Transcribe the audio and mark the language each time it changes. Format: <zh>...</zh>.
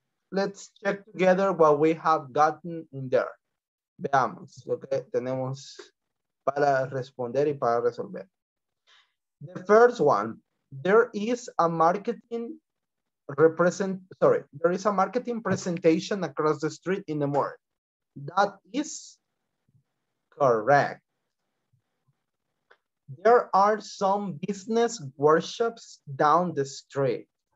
<en>Let's check together what we have gotten in there.</en> <es>Veamos lo que tenemos para responder y para resolver.</es> <en>The first one, there is a marketing presentation across the street in the morning. That is correct. There are some business workshops down the street.</en>